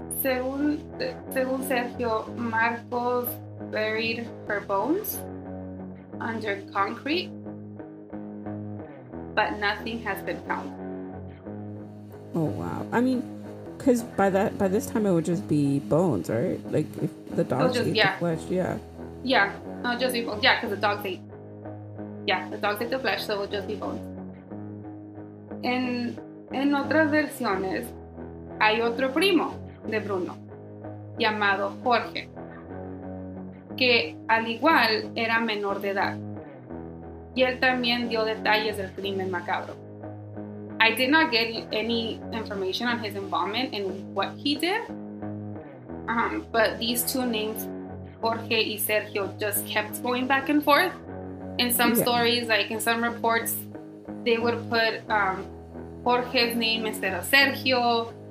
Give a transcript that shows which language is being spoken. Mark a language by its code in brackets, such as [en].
[en] Según Sergio, Marcos buried her bones under concrete, but nothing has been found. Oh wow. I mean, because by this time it would just be bones, right? Like if the dogs ate the flesh, yeah. Yeah, no, just be bones. Yeah, because the dogs ate the flesh, so it would just be bones. [es] En otras versiones, hay otro primo de Bruno, llamado Jorge, que al igual era menor de edad. Y él también dio detalles del crimen macabro. [en] I did not get any information on his involvement and what he did, but these two names, Jorge y Sergio, just kept going back and forth. In some stories, like in some reports, they would put Jorge's name instead of Sergio.